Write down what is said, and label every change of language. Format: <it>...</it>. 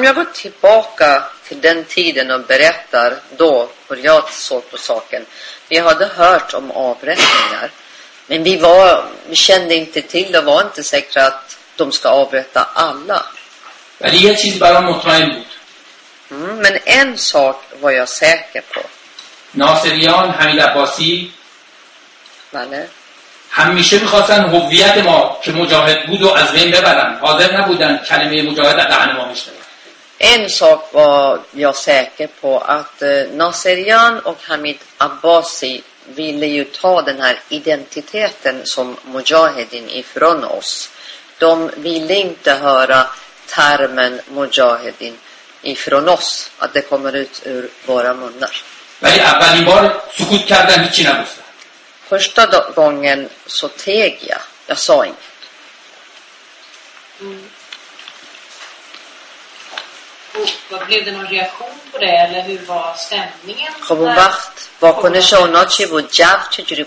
<sv>Som jag går tillbaka till den tiden och berättar då hur jag såg på saken. Vi hade hört om avrättningar. Men vi kände inte till och var inte säkra att de ska avrätta alla.</sv> <fa>ولی یه چیز برام مطمئن بود.</fa> <sv>Men en sak var jag säker på.</sv> <fa>ناصریان حمید عباسی. بله. همیشه می‌خواستن هویت ما که مجاهد بود و از بین ببرن. حاضر نبودن کلمه مجاهد از دهن ما بشنوه. این</fa> <sv>sak var jag säker på att Naserian och Hamid Abbasi ville ju ta den här identiteten som mujahedin ifrån oss. De ville inte höra termen mujahedin ifrån oss, att det kommer ut ur våra munnar. Men</sv> <fa>اولین بار سکوت کردن هیچی نگفتن.</fa> <sv>Första gången så teg jag. Jag sa inget. Mm. Och, vad blev det någon reaktion på det? Eller hur var stämningen? Kom och vart. Vad kunde jag ha något? Jag tyckte det</sv>